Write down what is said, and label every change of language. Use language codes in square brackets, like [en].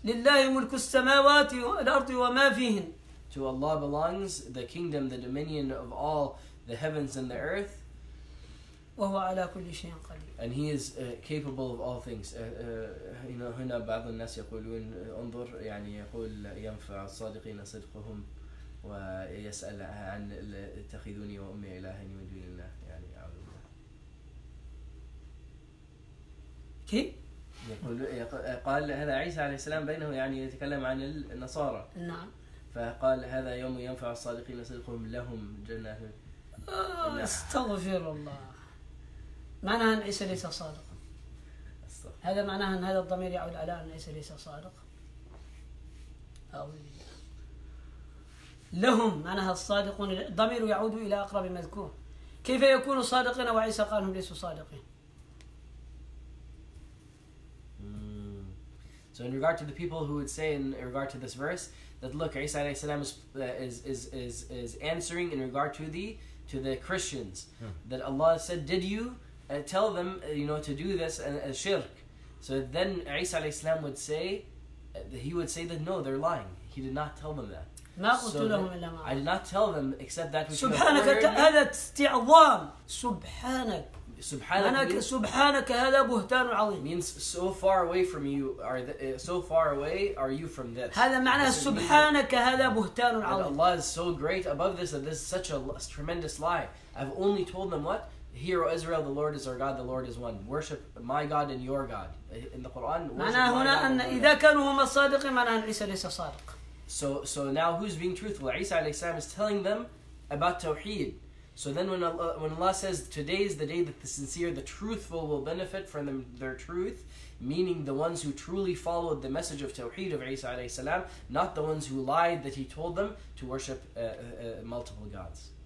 [en] To Allah belongs the kingdom, the dominion of all the heavens and the earth. [ar] وهو على كل شيء قدير. [en] And he is capable of all things. [ar] هنا بعض الناس يقولون انظر يعني يقول ينفع الصادقين صدقهم ويسأل عن تأخذوني وأمي إلهين من دون الله يعني أعوذ بالله. كي يقول قال هذا عيسى عليه السلام بينه يعني يتكلم عن النصارى نعم فقال هذا يوم ينفع الصادقين صدقهم لهم جنة استغفر الله معناها أن عيسى ليس صادق هذا معناها أن هذا الضمير يعود على أن عيسى ليس صادق لهم معناها الصادقون الضمير يعود إلى أقرب مذكور كيف يكون صادقين وعيسى قالهم ليسوا صادقين [en] So in regard to the people who would say in regard to this verse that look, Isa alayhi salam is answering in regard to the Christians yeah. that Allah said, did you tell them you know to do this and shirk? So then Isa alayhi salam would say he would say that no, they're lying. He did not tell them that. So I did not tell them except that which [ar] Subhanaka هذا استعظام Subhanak. سبحانك هذا بهتان عظيم. [en] Means so far away from you are so far away are you from this. [ar] هذا معنى سبحانك هذا بهتان عظيم. [en] Allah is so great above this that this is such a tremendous lie. I've only told them what? Hear, O Israel, the Lord is our God, the Lord is one. Worship my God and your God. In the Quran. [ar] معنى هنا أن إذا كانوا هم الصادقين معنى أن عيسى ليس صادق. [en] So now who's being truthful? عيسى عليه السلام is telling them about توحيد. So then when Allah says today is the day that the sincere, the truthful will benefit from them, their truth, meaning the ones who truly followed the message of Tawheed of Isa alayhi salam, not the ones who lied that he told them to worship multiple gods.